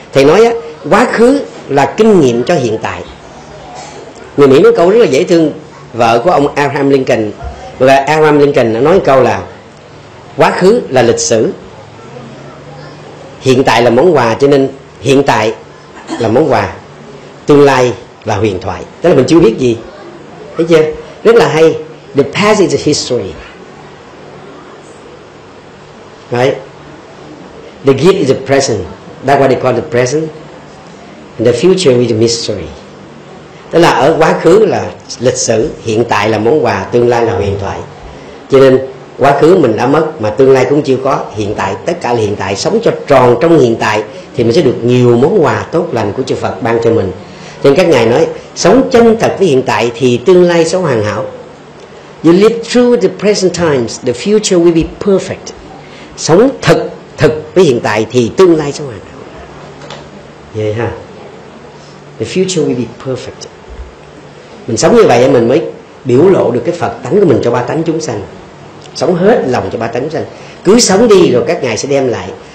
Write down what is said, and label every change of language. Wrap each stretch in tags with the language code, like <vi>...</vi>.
<vi>Thầy nói á, quá khứ là kinh nghiệm cho hiện tại. Người Mỹ nói câu rất là dễ thương, vợ của ông Abraham Lincoln, và Abraham Lincoln đã nói câu là quá khứ là lịch sử, hiện tại là món quà, cho nên hiện tại là món quà, tương lai là huyền thoại, tức là mình chưa biết gì, thấy chưa? Rất là hay.</vi> <en>The past is history, right? The gift is the present, that's what they call the present, and the future is the mystery.</en> <vi>Tức là ở quá khứ là lịch sử, hiện tại là món quà, tương lai là huyền thoại. Cho nên quá khứ mình đã mất mà tương lai cũng chưa có, hiện tại, tất cả là hiện tại, sống cho tròn trong hiện tại thì mình sẽ được nhiều món quà tốt lành của chư Phật ban cho mình. Cho nên các ngài nói sống chân thật với hiện tại thì tương lai sống hoàn hảo.</vi> <en>You live through the present times, the future will be perfect.</en> <vi>Sống thật thật với hiện tại thì tương lai sống hoàn hảo. Vậy ha.</vi> <en>The future will be perfect.</en> <vi>Mình sống như vậy mình mới biểu lộ được cái Phật tánh của mình cho ba tánh chúng sanh. Sống hết lòng cho ba tánh chúng sanh. Cứ sống đi rồi các ngài sẽ đem lại.</vi>